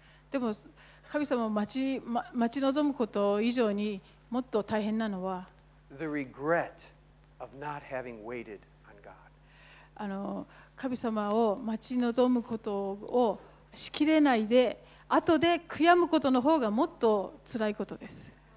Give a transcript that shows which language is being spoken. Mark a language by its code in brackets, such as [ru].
[ja] でも神様を待ち望むこと以上にもっと大変なのは [en] The regret of not having waited on God. [ja] 神様を待ち望むことをしきれないで後で悔やむことの方がもっとつらいことです。